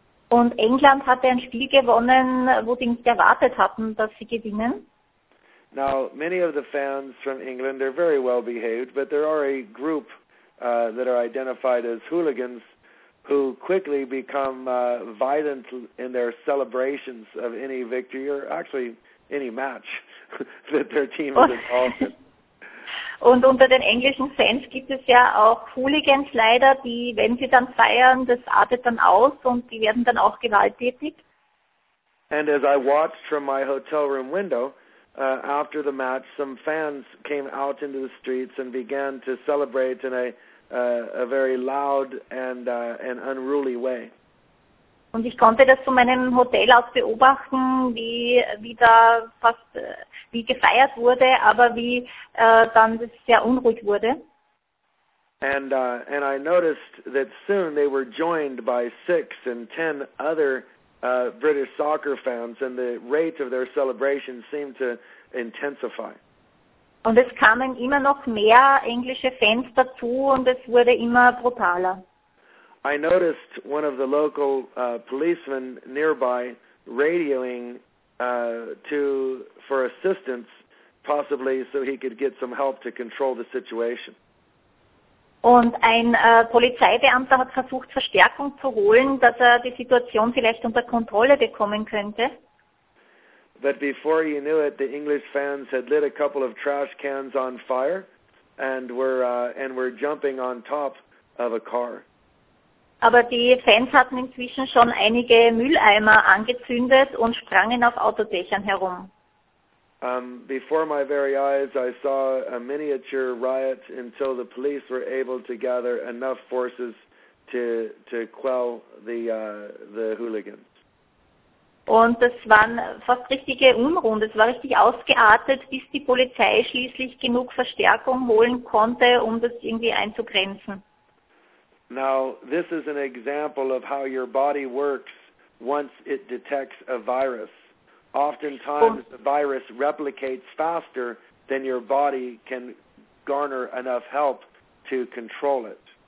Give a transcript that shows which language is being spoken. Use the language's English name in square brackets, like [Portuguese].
[German] Und England hatte ein Spiel gewonnen, wo sie nicht erwartet hatten, dass sie gewinnen. [English] Now, many of the fans from England are very well behaved, but there are a group that are identified as hooligans who quickly become violent in their celebrations of any victory or actually any match that their team is involved in. [German] Und unter den englischen Fans gibt es ja auch Hooligans leider, die, wenn sie dann feiern, das artet dann aus und die werden dann auch gewalttätig. [English] And as I watched from my hotel room window, after the match, some fans came out into the streets and began to celebrate in a very loud and an unruly way. [German] Und ich konnte das von meinem Hotel aus beobachten, wie da fast wie gefeiert wurde, aber wie dann das sehr unruhig wurde. [English] And I noticed that soon they were joined by 6 and 10 other British soccer fans, and the rate of their celebration seemed to intensify. [German] Und es kamen immer noch mehr englische Fans dazu und es wurde immer brutaler. [English] I noticed one of the local policemen nearby radioing for assistance, possibly so he could get some help to control the situation. [German] Und ein Polizeibeamter hat versucht, Verstärkung zu holen, dass er die Situation vielleicht unter Kontrolle bekommen könnte. [English] But before you knew it, the English fans had lit a couple of trash cans on fire and were jumping on top of a car. [German] Aber die Fans hatten inzwischen schon einige Mülleimer angezündet und sprangen auf Autodächern herum. [English] Before my very eyes, I saw a miniature riot until the police were able to gather enough forces to quell the hooligans. [German] Und das waren fast richtige Unruhen. Das war richtig ausgeartet, bis die Polizei schließlich genug Verstärkung holen konnte, um das irgendwie einzugrenzen. [English] Now, this is an example of how your body works once it detects a virus. Oftentimes, the virus replicates faster than your body can garner enough help to control it.